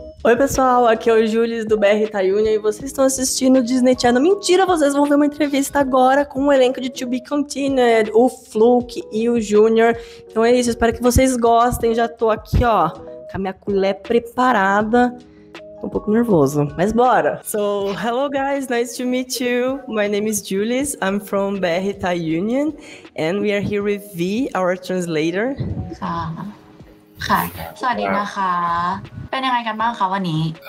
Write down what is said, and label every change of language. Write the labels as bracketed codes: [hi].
[pt] Oi pessoal, aqui é o Jules do BR Itaiúnia e vocês estão assistindo o Disney Channel. Mentira, vocês vão ver uma entrevista agora com o elenco de To Be Continued, o Fluke e o Junior. Então é isso, espero que vocês gostem. Já tô aqui, ó, com a minha colher preparada. Tô um pouco nervoso, mas bora! [en] So, hello guys, nice to meet you. My name is Jules, I'm from BR Itaiúnia and we are here with V, our translator. [th] ค่ะสวัสดีนะคะเป็นยังไงกันบ้างคะวันนี้